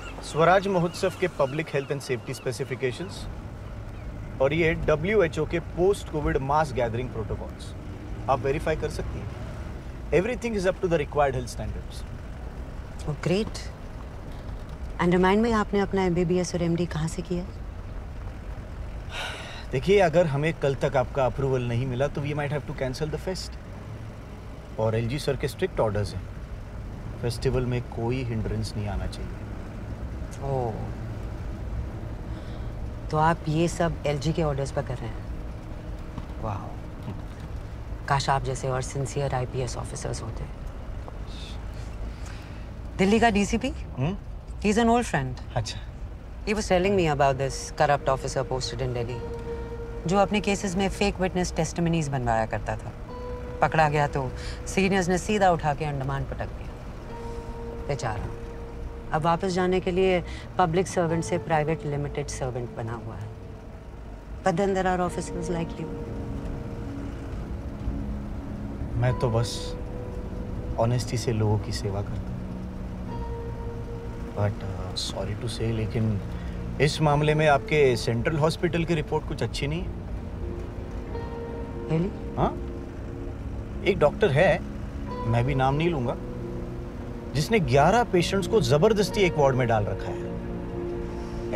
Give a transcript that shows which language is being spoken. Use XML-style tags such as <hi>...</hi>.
<hi>स्वराज महोत्सव के public health and safety specifications और ये WHO के पोस्ट कोविड मास गैदरिंग प्रोटोकॉल्स आप वेरीफाई कर सकती हैं।</hi> <en>Everything is up to the required health standards. Oh great. And remind me,</en> <hi>आपने अपना MBBS और MD कहाँ से किया? देखिए अगर हमें कल तक आपका अप्रूवल नहीं मिला तो</hi> <en>we might have to cancel the fest,</en> <hi>और LG सर के स्ट्रिक्ट ऑर्डर्स हैं, फेस्टिवल में कोई हिंड्रेंस नहीं आना चाहिए। ओ, तो आप ये सब LG के ऑर्डर्स पर कर रहे हैं? वाह, काश आप जैसे और सिंसियर IPS ऑफिसर्स होते। दिल्ली का</hi> <en>DCP, he is an old friend.</en> <hi>अच्छा।</hi> <en>he was telling me about this corrupt officer posted in Delhi,</en> <hi>जो अपने केसेस में फेक विटनेस टेस्टिमनीज बनवाया करता था, पकड़ा गया तो सीनियर्स ने सीधा उठा के अंडमान पटक दिया। बेचारा, अब वापस जाने के लिए पब्लिक सर्वेंट से प्राइवेट लिमिटेड सर्वेंट बना हुआ है.</hi> <en>But then there are officers like you.</en> <hi>मैं तो बस ऑनेस्टी से लोगों की सेवा करता हूँ.</hi> <en>but sorry to say,</en> <hi>लेकिन इस मामले में आपके सेंट्रल हॉस्पिटल की रिपोर्ट कुछ अच्छी नहीं है.</hi> <en>Really?</en> <hi>हाँ, एक डॉक्टर है, मैं भी नाम नहीं लूंगा, जिसने 11 पेशेंट्स को जबरदस्ती एक वार्ड में डाल रखा है.</hi>